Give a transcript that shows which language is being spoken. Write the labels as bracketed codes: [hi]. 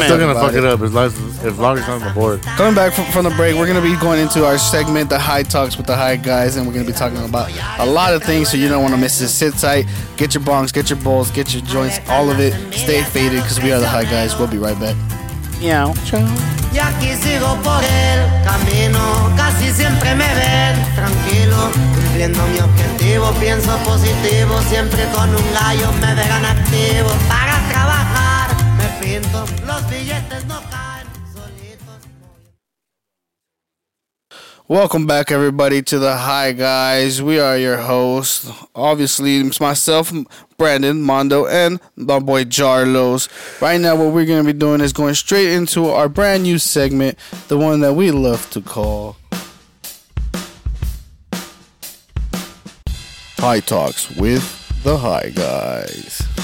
[en] I'm still going to fuck it up as long as I'm on the board. Coming back from the break, we're going to be going into our segment, The High Talks with the High Guys, and we're going to be talking about a lot of things, so you don't want to miss this. Sit tight. Get your bongs. Get your bowls. Get your joints. All of it. Stay faded because we are the High Guys. We'll be right back. Meow. Ciao. [es] Y aquí sigo por el camino, casi siempre me ven tranquilo, cumpliendo mi objetivo, pienso positivo, siempre con un gallo me verán activo, para trabajar, me pinto, los billetes no caen, solitos. [en] Welcome back everybody to the High Guys, we are your hosts, obviously it's myself, Brandon, Mondo, and my boy Jarlos. Right now, what we're going to be doing is going straight into our brand new segment, the one that we love to call High Talks with the High Guys.